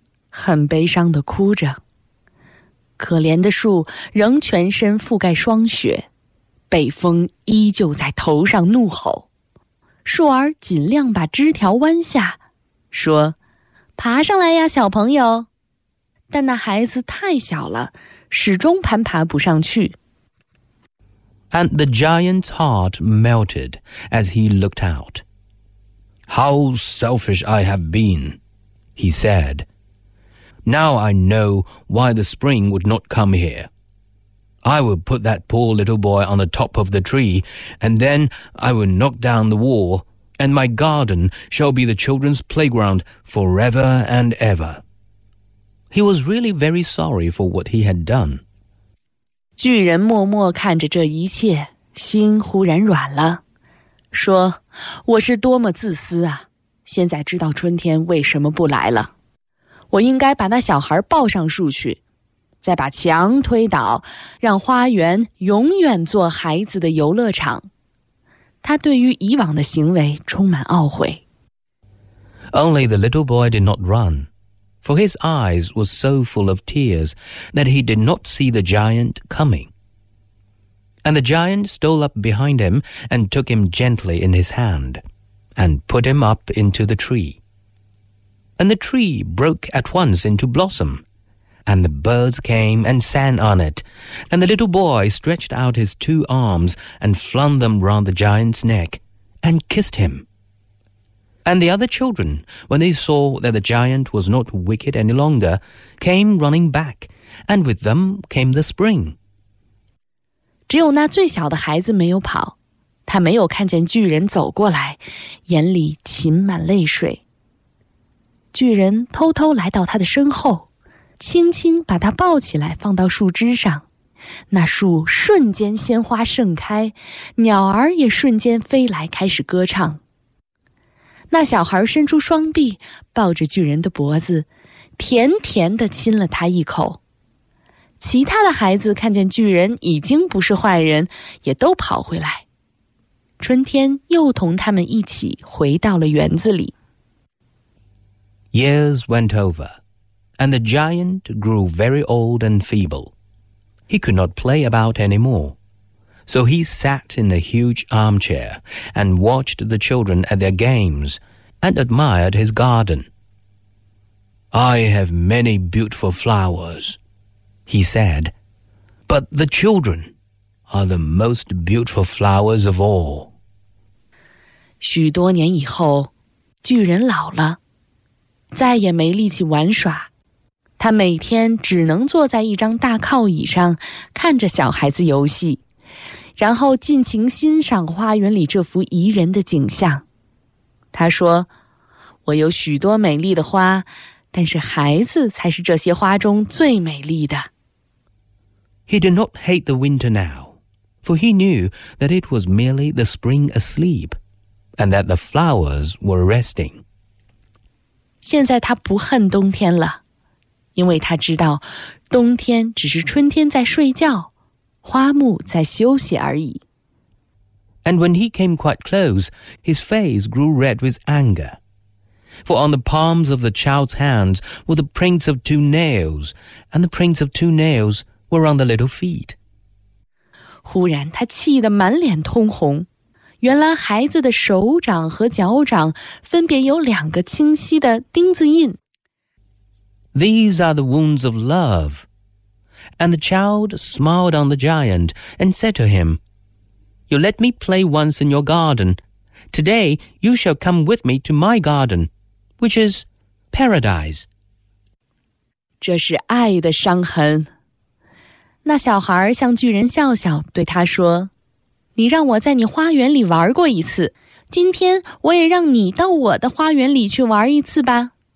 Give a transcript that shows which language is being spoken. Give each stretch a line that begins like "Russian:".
Chinese: 很悲伤地哭着。可怜的树仍全身覆盖霜雪，北风依旧在头上怒吼。树儿尽量把枝条弯下，说：爬上来呀，小朋友。但那孩子太小了，始终攀爬不上去。
English: And the giant's heart melted as he looked out. How selfish I have been, he said. Now I know why the spring would not come here. I will put that poor little boy on the top of the tree, and then I will knock down the wall, and my garden shall be the children's playground forever and ever. He was really very sorry for what he had done.
Chinese: 巨人默默看着这一切，心忽然软了，说，我是多么自私啊，现在知道春天为什么不来了。我应该把那小孩抱上树去，再把墙推倒，让花园永远做孩子的游乐场。他对于以往的行为充满懊悔。
English: Only the little boy did not run, for his eyes were so full of tears that he did not see the giant coming. And the giant stole up behind him and took him gently in his hand and put him up into the tree. And the tree broke at once into blossom, and the birds came and sang on it, and the little boy stretched out his two arms and flung them round the giant's neck and kissed him. And the other children, when they saw that the giant was not wicked any longer, came running back, and with them came the spring.
Chinese: 只有那最小的孩子没有跑，他没有看见巨人走过来，眼里噙满泪水。巨人偷偷来到他的身后，轻轻把他抱起来放到树枝上，那树瞬间鲜花盛开，鸟儿也瞬间飞来开始歌唱。那小孩伸出双臂抱着巨人的脖子，甜甜地亲了他一口。其他的孩子看见巨人已经不是坏人，也都跑回来。春天又同他们一起回到了园子里。
English: Years went over, and the giant grew very old and feeble. he could not play about anymore. So he sat in a huge armchair and watched the children at their games and admired his garden. I have many beautiful flowers, he said, but the children are the most beautiful flowers of all.
Chinese: 许多年以后，巨人老了，再也没力气玩耍。他每天只能坐在一张大靠椅上，看着小孩子游戏，然后尽情欣赏花园里这幅宜人的景象。他说，我有许多美丽的花，但是孩子才是这些花中最美丽的。
English: He did not hate the winter now, for he knew that it was merely the spring asleep, and that the flowers were resting.
Chinese: 现在他不恨冬天了。因为他知道冬天只是春天在睡觉，花木在休息而已。
English: And when he came quite close, his face grew red with anger. For on the palms of the child's hands were the prints of two nails, and the prints of two nails were on the little feet.
Chinese: 忽然他气得满脸通红，原来孩子的手掌和脚掌分别有两个清晰的钉子印。
English: These are the wounds of love. And the child smiled on the giant and said to him, You let me play once in your garden. Today you shall come with me to my garden, which is paradise.
Chinese: 这是爱的伤痕。那小孩向巨人笑笑对他说，你让我在你花园里玩过一次，今天我也让你到我的花园里去玩一次吧。